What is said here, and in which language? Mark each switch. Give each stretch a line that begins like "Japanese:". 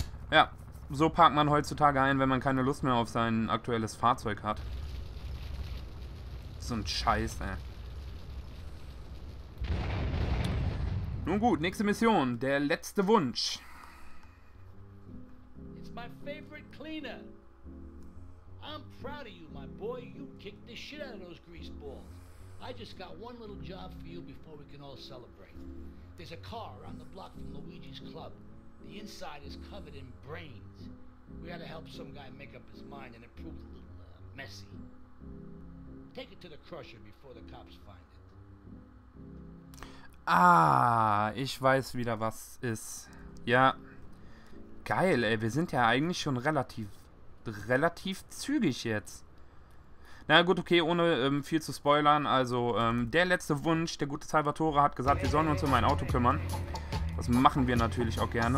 German: Ja, so parkt man heutzutage ein, wenn man keine Lust mehr auf sein aktuelles Fahrzeug hat. So ein Scheiß, ey. Nun gut, nächste Mission. Der letzte Wunsch.
English: It's my favorite cleaner. I'm proud of you, my boy. You kicked the shit out of those grease balls. I just got one little job for you before we can all celebrate. There's a car on the block from Luigi's Club. The inside is covered in brains. We gotta help some guy make up his mind and it proved a little messy. Take it to the crusher before the cops find it.
German: Ah, ich weiß wieder, was ist. Ja, geil, ey. Wir sind ja eigentlich schon relativ zügig jetzt. Na gut, okay, ohne viel zu spoilern. Also, der letzte Wunsch. Der gute Salvatore hat gesagt, wir sollen uns um ein Auto kümmern. Das machen wir natürlich auch gerne.